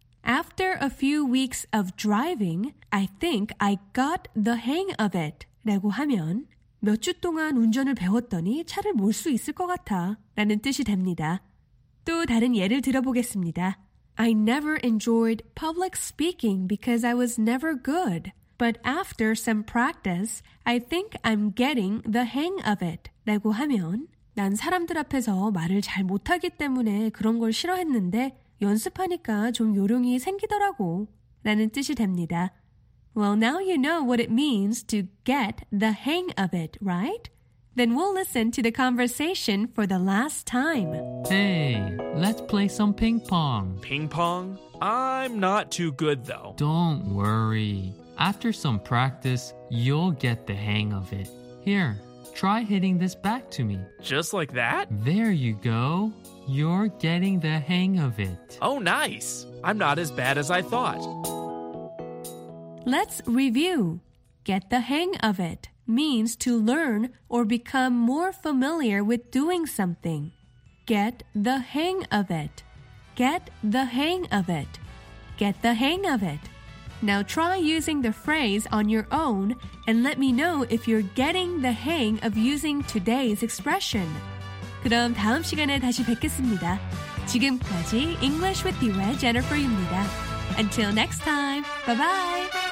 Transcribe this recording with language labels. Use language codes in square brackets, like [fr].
[en] After a few weeks of driving, I think I got the hang of it. [ko] 라고 하면 몇 주 동안 운전을 배웠더니 차를 몰 수 있을 것 같아 라는 뜻이 됩니다. 또 다른 예를 들어보겠습니다. [en] I never enjoyed public speaking because I was never good. But after some practice, I think I'm getting the hang of it. [ko] 라고 하면 난 사람들 앞에서 말을 잘 못하기 때문에 그런 걸 싫어했는데 연습하니까 좀 요령이 생기더라고 라는 뜻이 됩니다. [en] Well, now you know what it means to get the hang of it, right? Then we'll listen to the conversation for the last time. Hey, let's play some ping pong. Ping pong? I'm not too good though. Don't worry. After some practice, you'll get the hang of it. Here, try hitting this back to me. Just like that? There you go. You're getting the hang of it. Oh, nice. I'm not as bad as I thought. Let's review. Get the hang of it means to learn or become more familiar with doing something. Get the hang of it. Get the hang of it. Get the hang of it. Now try using the phrase on your own and let me know if you're getting the hang of using today's expression. [ko] 그럼 다음 시간에 다시 뵙겠습니다. 지금까지 English with you의 Jennifer입니다. [en] Until next time, bye-bye!